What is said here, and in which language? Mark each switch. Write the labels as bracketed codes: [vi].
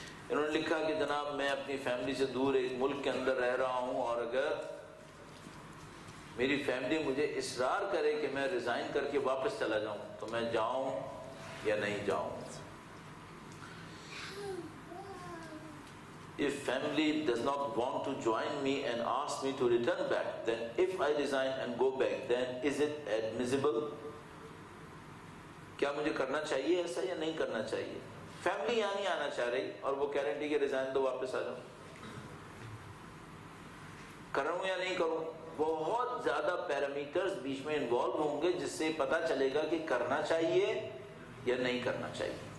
[hi] इन्होंने लिखा कि जनाब मैं अपनी फैमिली से दूर एक मुल्क के अंदर रह रहा हूं और अगर मेरी फैमिली मुझे इसरार करे कि मैं रिजाइन करके वापस चला जाऊं तो मैं जाऊं या नहीं जाऊं। [en] If family does not want to join me and ask me to return back, then if I resign and go back, then is it admissible? [hi] क्या मुझे करना चाहिए ऐसा या नहीं करना चाहिए? Family यहाँ नहीं आना चाह रही और वो guarantee के resign दो वापस आ जाऊँ, करूँ या नहीं करूँ? बहुत ज़्यादा parameters बीच में involve होंगे जिससे पता चलेगा कि करना चाहिए या नहीं करना चाहिए।